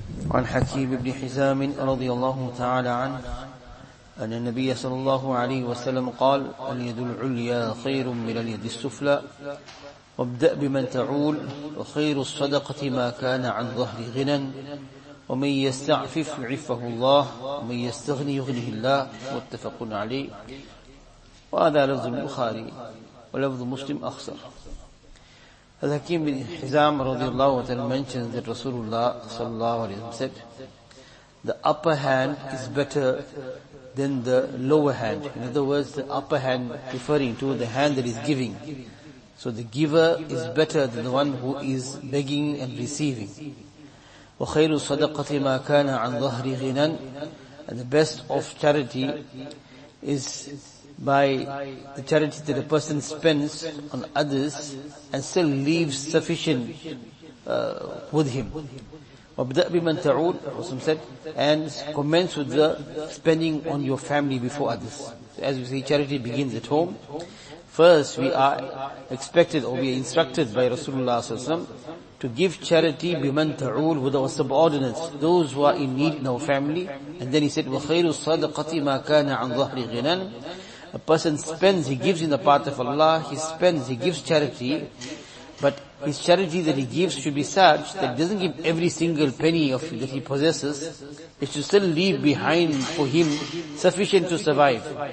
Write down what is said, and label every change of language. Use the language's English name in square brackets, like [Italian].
[Arabic] عن حكيم بن حزام رضي الله تعالى عنه أن النبي صلى الله عليه وسلم قال: اليد العليا خير من اليد السفلى، وابدأ بمن تعول، وخير الصدقة ما كان عن ظهر غنى، ومن يستعفف عفه الله، ومن يستغني يغنه الله. متفق عليه. وهذا لفظ البخاري ولفظ مسلم أخسر. [English] Hakim bin Hizam radiallahu anhu mentions that Rasulullah sallallahu alayhi wa sallam said, the upper hand is better than the lower hand. In other words, the upper hand referring to the hand that is giving. So the giver is better than the one who is begging and receiving. [Arabic] وَخَيْرُ صَدَقَةِ مَا كَانَ عَنْ ظَهْرِ غِنًا. [English] And the best of charity is by the charity that a person spends on others and still leaves sufficient with him. [Arabic] وَبْدَأْ بِمَنْ تَعُودُ [English] Rasulullah said, and commence with the spending on your family before others. So as we say, charity begins at home. First, we are expected or we are instructed by Rasulullah SAW to give charity [Arabic] بِمَنْ تَعُودُ [English] with our subordinates, those who are in need in our family. And then he said, [Arabic] وَخَيْرُ الصَّدَقَةِ مَا كَانَ عَنْ ظَهْرِ غِنًا. [English] A person spends, he gives in the path of Allah, he spends, he gives charity, but his charity that he gives should be such that he doesn't give every single penny of that he possesses. It should still leave behind for him sufficient to survive.